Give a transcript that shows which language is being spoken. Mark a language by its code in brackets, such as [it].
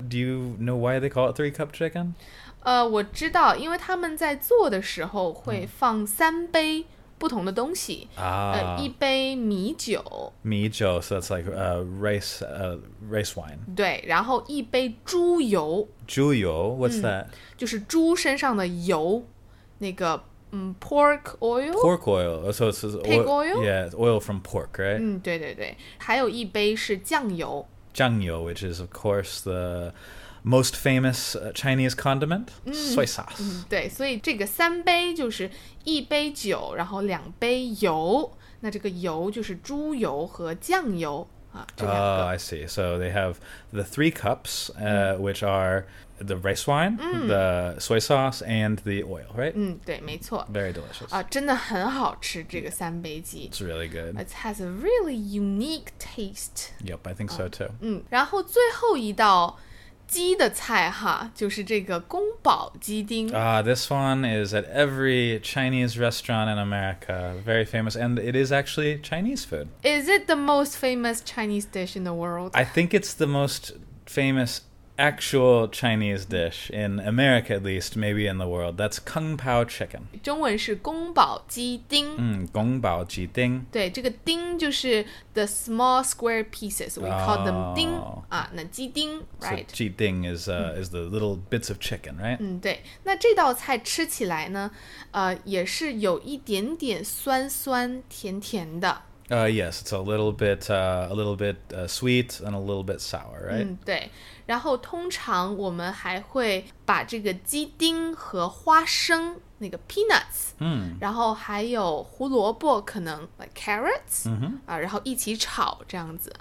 [en] Do you know why they call it three cup chicken? [zh] 我知道，因为他们在做的时候会放三杯。不同的东西、一杯米酒 [en] so that's like rice wine [zh] 对然后一杯猪油 [en] 猪油 what's that [zh] 就是猪身上的油那个、pork oil [en] pork oil so it's pig oil yeah oil from pork right [zh] 嗯对对对还有一杯是酱油 [en] 酱油 which is of course the most famous Chinese condiment、soy sauce [zh] 对所以这个三杯就是一杯酒然后两杯油那这个油就是猪油和酱油、 [en] Oh, I see. So they have the three cups,、which are the rice wine,、the soy sauce, and the oil, right? [zh] 嗯，对，没错。 [en] Very delicious.、 [zh] 真的很好吃这个三杯鸡。 [en] It's really good. It has a really unique taste. Yep, I think so too. [zh] 然后最后一道鸡的菜哈，就是这个宫保鸡丁。 [en] Ah, this one is at every Chinese restaurant in America. Very famous, and it is actually Chinese food. Is it the most famous Chinese dish in the world? I think it's the most famous actual Chinese dish, in America at least, maybe in the world. That's Kung Pao Chicken. [zh] 中文是宫保鸡丁。宫保鸡丁。对，这个丁就是 [en] the small square pieces, we call them 丁、那鸡丁 right? So 鸡丁 is the little bits of chicken, right? [zh] 嗯，对，那这道菜吃起来呢、也是有一点点酸酸甜甜的。 [en] Yes, it's a little bit sweet and a little bit sour, right? [zh] 嗯，对。然后通常我们还会把这个鸡丁和花生那个 peanuts，、然后还有胡萝卜可能 like carrots，、然后一起炒这样子。